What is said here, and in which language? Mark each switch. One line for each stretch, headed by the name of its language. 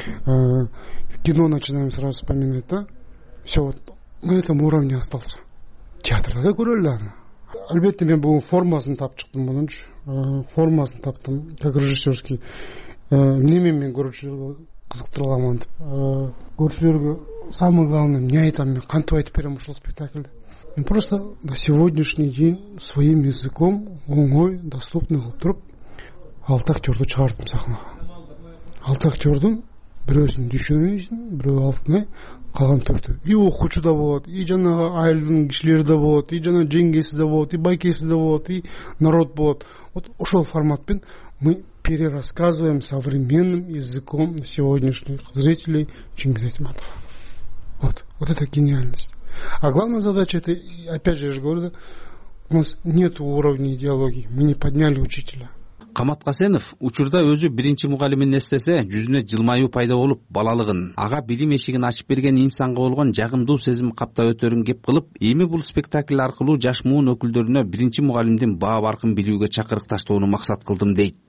Russian: Кино начинаем сразу вспоминать, да? Все вот на этом уровне остался.
Kyrgyz: Театрда да көрө эле аны. Албетте мен бул формасын таап чыктым мунунчу. Формасын таптым
Russian: как режиссерский.
Kyrgyz: Эмне мен көрүүчүлөргө кызыктырыламан деп. Көрүүчүлөргө
Russian: самый главный
Kyrgyz: эмне айтам мен, кантип айтып берем ушул спектакльди. Мен
Russian: просто на сегодняшний день своим языком
Kyrgyz: оңой
Russian: доступный
Kyrgyz: кылып туруп алты актерду чыгардым сахнага. Алты актердун бирөөсүн Дүйшөнү, бирөө Алтынай, калган төртөө. И окуучу да болот, и жанагы айылдын кишилери да болот, и жана жеңгеси да болот, и байкеси да болот,
Russian: и народ
Kyrgyz: болот.
Russian: Вот
Kyrgyz: ошол формат менен
Russian: мы перерассказываем современным языком сегодняшних зрителей Чыңгыз Айтматова. Вот это гениальность. А главная задача это, опять же, я же говорю, да, у нас нет уровня идеологии, мы не подняли учителя.
Kyrgyz: Камат Касенов учурда өзү биринчи мугалимин эстесе, жүзүнө жылмаюу пайда болуп, балалыгын, ага билим эшигин ачып берген инсанга болгон жагымдуу сезим каптап өтөрүн кеп кылып, эми бул спектакль аркылуу жаш муун өкүлдөрүнө биринчи мугалимдин баа баркын билүүгө чакырык таштоону максат кылдым дейт.